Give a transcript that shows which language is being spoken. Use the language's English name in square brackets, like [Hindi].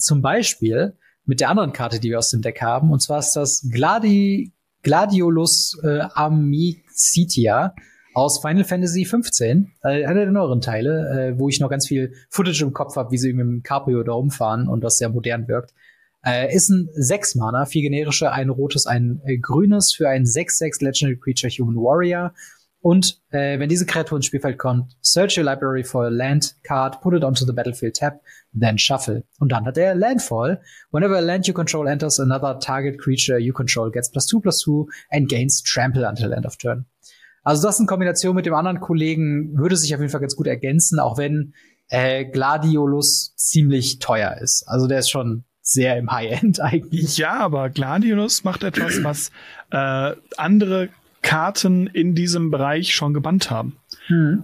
[German] Zum Beispiel mit der anderen Karte, die wir aus dem Deck haben, und zwar ist das Gladiolus Amicitia aus Final Fantasy 15, einer der neueren Teile, wo ich noch ganz viel Footage im Kopf habe, wie sie irgendwie mit dem Cabrio da rumfahren und das sehr modern wirkt. Ist ein 6-Mana, 4 generische, ein rotes, ein grünes für ein 6-6 Legendary Creature Human Warrior. Und wenn diese Kreatur ins Spielfeld kommt, [English] search your library for a land card, put it onto the battlefield tab, then shuffle. [German] Und dann hat er Landfall. [English] Whenever a land you control enters, another target creature you control gets +2/+2 and gains trample until end of turn. [German] Also das in Kombination mit dem anderen Kollegen würde sich auf jeden Fall ganz gut ergänzen, auch wenn Gladiolus ziemlich teuer ist. Also der ist schon sehr im High-End eigentlich. Ja, aber Gladiolus macht etwas, was andere Karten in diesem Bereich schon gebannt haben. Hm.